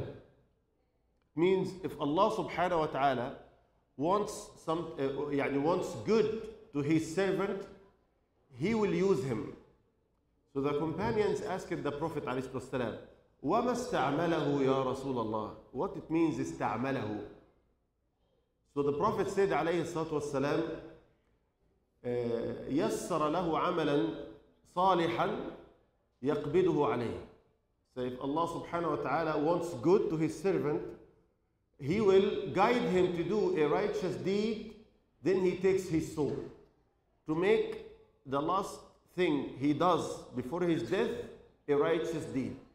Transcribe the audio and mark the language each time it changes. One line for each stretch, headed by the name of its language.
English: It means if Allah subhanahu wa ta'ala wants wants good to his servant, he will use him. So the companions asked the Prophet عليه السلام,
Arabic: وَمَا اسْتَعْمَلَهُ يَا رَسُولَ اللَّهِ.
English: What it means اسْتَعْمَلَهُ. So the Prophet said عليه الصلاة والسلام,
Arabic: يَسَّرَ لَهُ عَمَلًا صَالِحًا يَقْبِدُهُ عَلَيْهِ.
English: So if Allah subhanahu wa ta'ala wants good to his servant, he will guide him to do a righteous deed, then he takes his soul to make the last thing he does before his death a righteous deed.